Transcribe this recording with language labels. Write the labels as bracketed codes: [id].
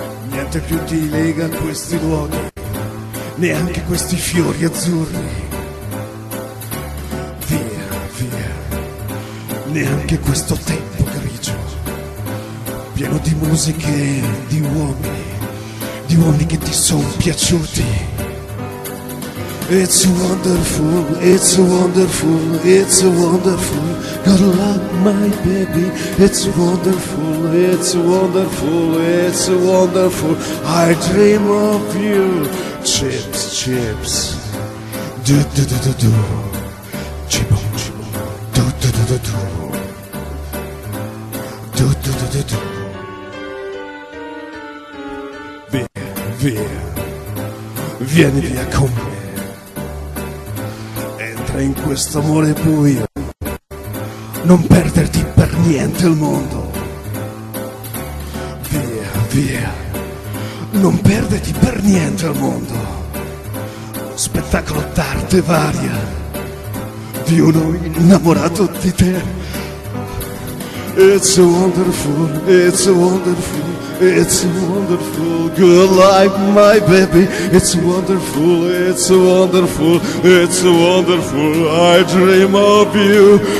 [it] Niente più ti lega a questi luoghi, neanche questi fiori azzurri. Via, via, neanche questo tempo grigio, pieno di musiche, di uomini che ti sono piaciuti. [en] It's wonderful, it's wonderful, it's wonderful, gonna love my baby. It's wonderful, it's wonderful, it's wonderful, I dream of you. Chips, chips, du-du-du-du-du, cibo, cibo, du-du-du-du-du, du-du-du-du-du. [it] Via, via, vieni via con me. In questo amore buio, non perderti per niente il mondo. Via, via, non perderti per niente il mondo. Spettacolo d'arte varia di uno innamorato di te. [en] It's wonderful, it's wonderful, it's wonderful, good life, my baby. It's wonderful, it's wonderful, it's wonderful, I dream of you.